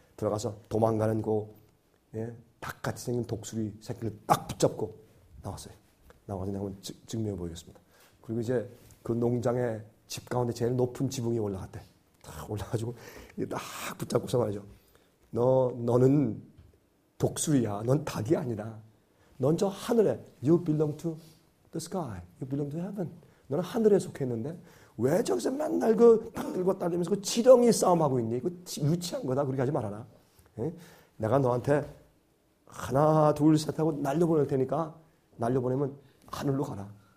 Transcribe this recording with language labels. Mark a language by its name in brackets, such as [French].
[Korean] 들어가서 도망가는 그 예, 닭같이 생긴 독수리 새끼를 딱 붙잡고 나왔어요. 나와서 내가 한번 증명해 보겠습니다. 그리고 이제 그 농장의 집 가운데 제일 높은 지붕이 올라갔대. 딱 올라가지고 딱 붙잡고서 말이죠. 너는 독수리야. 넌 닭이 아니다. 넌 저 하늘에 [English] You belong to the sky. You belong to heaven. [Korean] 너는 하늘에 속했는데 왜 저기서 맨날 그 닭들과 따르면서 그 지렁이 싸움하고 있니? 그 유치한 거다. 그렇게 하지 말아라. 에? 내가 너한테 하나 둘 셋 하고 날려보낼 테니까 날려보내면 하늘로 가라.